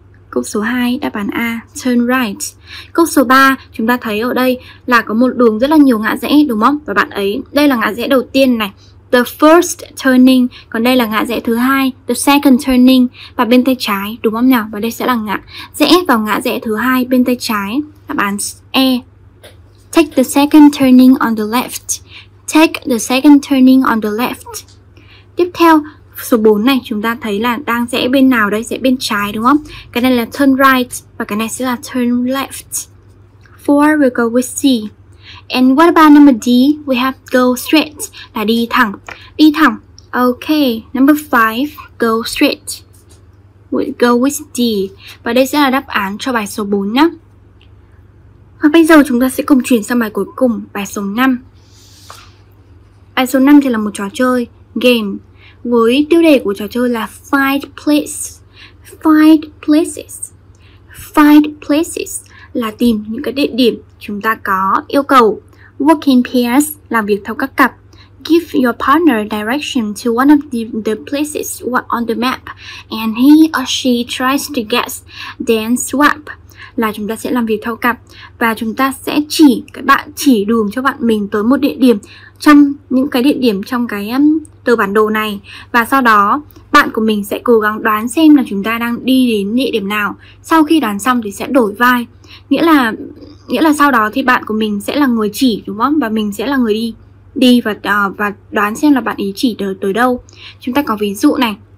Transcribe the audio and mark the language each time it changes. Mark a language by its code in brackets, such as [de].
[vi] Câu số 2, đáp án A, [en] turn right. [vi] Câu số 3, chúng ta thấy ở đây là có một đường rất là nhiều ngã rẽ, đúng không? Và bạn ấy, đây là ngã rẽ đầu tiên này, [en] the first turning. [vi] Còn đây là ngã rẽ thứ hai, [en] the second turning. [vi] Và bên tay trái, đúng không nhỉ? Và đây sẽ là ngã rẽ vào ngã rẽ thứ hai bên tay trái. Đáp án E, [en] take the second turning on the left. Take the second turning on the left. [vi] Tiếp theo, số 4 này chúng ta thấy là đang rẽ bên nào đây? Rẽ bên trái đúng không? Cái này là [en] turn right [vi] và cái này sẽ là [en] turn left. 4 will go with C. And what about number D? We have go straight. [vi] Là đi thẳng. Đi thẳng. [en] Okay, number 5, go straight. We go with D. [vi] Và đây sẽ là đáp án cho bài số 4 nhé. Và bây giờ chúng ta sẽ cùng chuyển sang bài cuối cùng, bài số 5. Bài số 5 thì là một trò chơi, game. Với tiêu đề của trò chơi là Find Place. Find Places. Find Places là tìm những cái địa điểm. Chúng ta có yêu cầu [en] Work in pairs, [vi] làm việc theo các cặp. [en] Give your partner direction to one of the places on the map, and he or she tries to guess, then swap. [vi] Là chúng ta sẽ làm việc theo cặp và chúng ta sẽ chỉ các bạn chỉ đường cho bạn mình tới một địa điểm trong những cái địa điểm trong cái tờ bản đồ này, và sau đó bạn của mình sẽ cố gắng đoán xem là chúng ta đang đi đến địa điểm nào. Sau khi đoán xong thì sẽ đổi vai, nghĩa là sau đó thì bạn của mình sẽ là người chỉ đúng không, và mình sẽ là người đi và đoán xem là bạn ý chỉ tới đâu. Chúng ta có ví dụ này.